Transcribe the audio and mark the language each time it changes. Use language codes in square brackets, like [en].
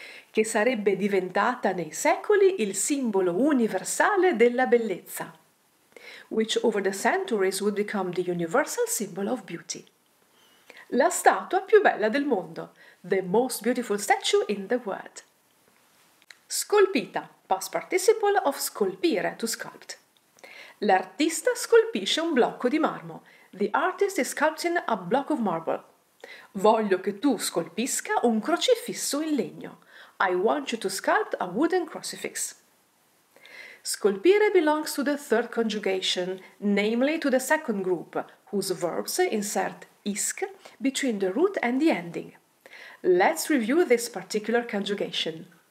[it] Che sarebbe diventata nei secoli il simbolo universale della bellezza. [en] Which over the centuries would become the universal symbol of beauty. [it] La statua più bella del mondo, [en] the most beautiful statue in the world. Scolpita, past participle of scolpire, to sculpt. [it] L'artista scolpisce un blocco di marmo. [en] The artist is sculpting a block of marble. [it] Voglio che tu scolpisca un crocifisso in legno. [en] I want you to sculpt a wooden crucifix. Scolpire belongs to the third conjugation, namely to the second group, whose verbs insert isk between the root and the ending. Let's review this particular conjugation.